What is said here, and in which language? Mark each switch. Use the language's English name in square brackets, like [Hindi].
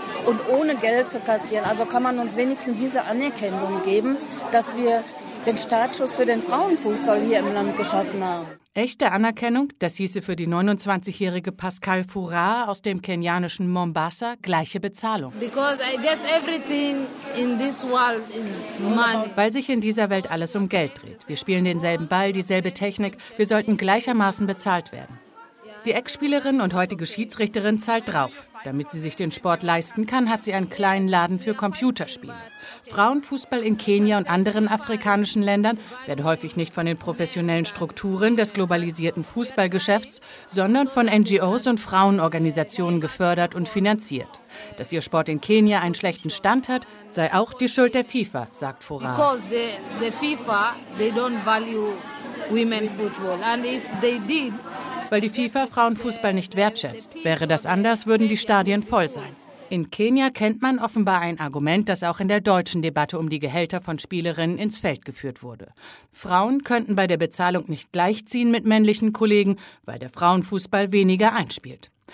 [German] Und ohne Geld zu kassieren, also kann man uns wenigstens diese Anerkennung geben, dass wir den Startschuss für den Frauenfußball hier im Land geschaffen haben. Echte Anerkennung, das hieße für die 29-jährige Pascal Furrah aus dem kenianischen Mombasa gleiche Bezahlung. [English] Because I guess everything in this world is money. [German] Weil sich in dieser Welt alles um Geld dreht. Wir spielen denselben Ball, dieselbe Technik, wir sollten gleichermaßen bezahlt werden. Die Ex-Spielerin und heutige Schiedsrichterin zahlt drauf. Damit sie sich den Sport leisten kann, hat sie einen kleinen Laden für Computerspiele. Frauenfußball in Kenia und anderen afrikanischen Ländern werde häufig nicht von den professionellen Strukturen des globalisierten Fußballgeschäfts, sondern von NGOs und Frauenorganisationen gefördert und finanziert. Dass ihr Sport in Kenia einen schlechten Stand hat, sei auch die Schuld der FIFA, sagt Furrah. [English] Because the FIFA, they don't value women football. And if they did, [German] weil die FIFA Frauenfußball nicht wertschätzt. Wäre das anders, würden die Stadien voll sein. In Kenia kennt man offenbar ein Argument, das auch in der deutschen Debatte um die Gehälter von Spielerinnen ins Feld geführt wurde. Frauen könnten bei der Bezahlung nicht gleichziehen mit männlichen Kollegen, weil der Frauenfußball weniger einspielt.